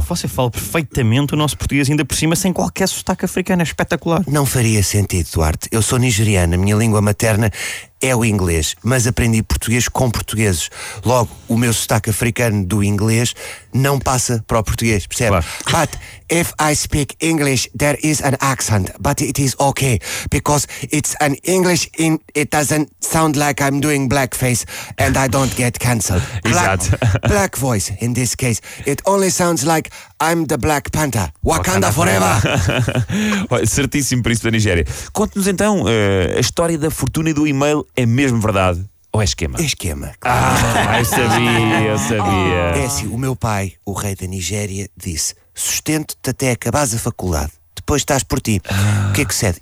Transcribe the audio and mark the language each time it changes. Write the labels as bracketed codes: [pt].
[pt] Você fala perfeitamente o nosso português, ainda por cima, sem qualquer sotaque africano. É espetacular. Não faria sentido, Duarte. Eu sou nigeriano, a minha língua materna é o inglês, mas aprendi português com portugueses. Logo, o meu sotaque africano do inglês não passa para o português, percebe? Claro. [en] But if I speak English, there is an accent, but it is okay because it's an English in it doesn't sound like I'm doing blackface and I don't get cancelled. [pt] Exato. [en] Black voice in this case, it only sounds like I'm the Black Panther, Wakanda forever. [pt] Certíssimo, príncipe da Nigéria. Conte-nos então a história da fortuna e do e-mail. É mesmo verdade ou é esquema? Esquema. Claro. Eu sabia. É assim, o meu pai, o rei da Nigéria, disse: sustento-te até acabares a faculdade, depois estás por ti. O que é que cede?